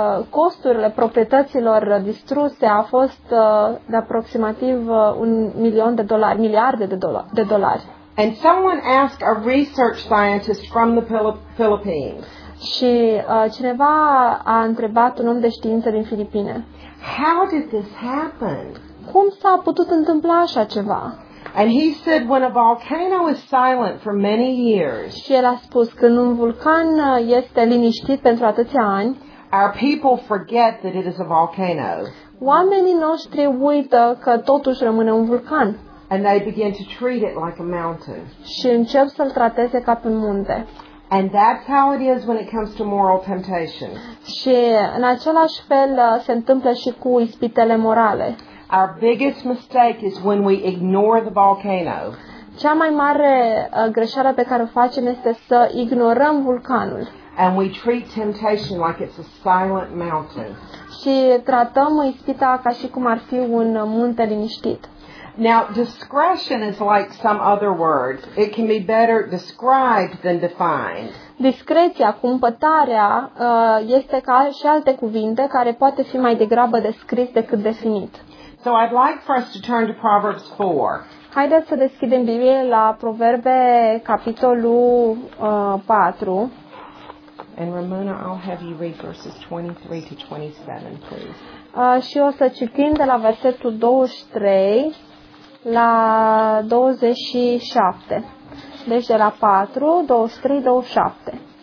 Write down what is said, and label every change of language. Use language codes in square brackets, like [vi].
[ro] Costurile proprietăților distruse a fost de aproximativ miliarde de dolari. [en] And someone asked a research scientist from the Philippines. [ro] Și cineva a întrebat un om de știință din Filipine. [en] How did this happen? [ro] Cum s-a putut întâmpla așa ceva? [en] And he said, when a volcano is silent for many years. [ro] Și el a spus, când un vulcan este liniștit pentru atâția ani, [en] our people forget that it is a volcano. [ro] Oamenii noștri uită că totuși rămâne un vulcan. [en] And they begin to treat it like a mountain. [ro] Și încep să-l trateze ca pe munte. [en] And that's how it is when it comes to moral temptation. [ro] Și în același fel se întâmplă și cu ispitele morale. [en] Our biggest mistake is when we ignore the volcano. [ro] Cea mai mare greșeală pe care o facem este să ignorăm vulcanul. [en] And we treat temptation like it's a silent mountain. [ro] Și tratăm ispita ca și cum ar fi un munte liniștit. [en] Now, discretion is like some other word. It can be better described than defined. [ro] Discreția, cumpătarea, este ca și alte cuvinte care poate fi mai degrabă descris decât definit. [en] So I'd like for us to turn to Proverbs 4. [ro] Haideți să deschidem Biblia la Proverbe, capitolul 4. [en] And Ramona, I'll have you read verses 23 to 27, please. [ro] Și o să citim de la versetul 23 la 27. Deci de la 4, 23, 27.